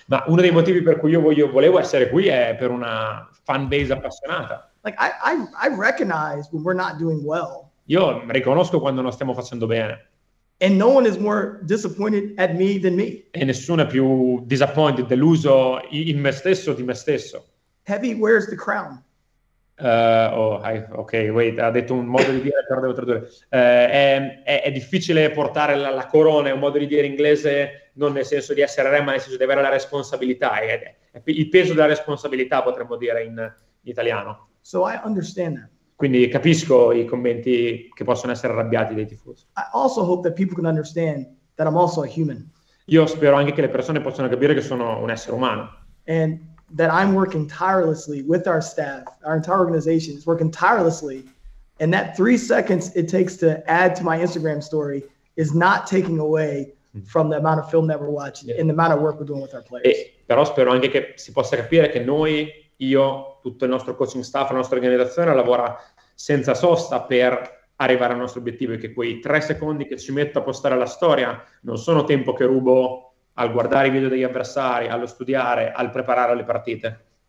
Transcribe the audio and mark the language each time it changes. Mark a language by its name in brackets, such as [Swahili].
[Italian] Ma uno dei motivi per cui io volevo essere qui è per una fan base appassionata. [English] Like I recognize when we're not doing well. [Italian] Io riconosco quando non stiamo facendo bene. [English] And no one is more disappointed at me than me. [Italian] E nessuno è più disappointed, deluso in me stesso di me stesso. [English] Heavy wears the crown. [Italian] Ha detto un modo di dire, però devo tradurre. È difficile portare la corona, è un modo di dire in inglese, non nel senso di essere re, ma nel senso di avere la responsabilità. È il peso della responsabilità, potremmo dire in italiano. [English] So I understand that. [Italian] Quindi capisco i commenti che possono essere arrabbiati dai tifosi. [English] I also hope that people can understand that I'm also a human. [Italian] Io spero anche che le persone possano capire che sono un essere umano. [English] And that I'm working tirelessly with our staff, our entire organization is working tirelessly, and that 3 seconds it takes to add to my Instagram story is not taking away from the amount of film that we're watching and the amount of work we're doing with our players. [Italian] Però spero anche che si possa capire che noi, io, tutto il nostro coaching staff, la nostra organizzazione lavora senza sosta per arrivare al nostro obiettivo, e che quei 3 secondi che ci metto a postare la storia non sono tempo che rubo al guardare i video degli avversari, allo studiare, al preparare le partite.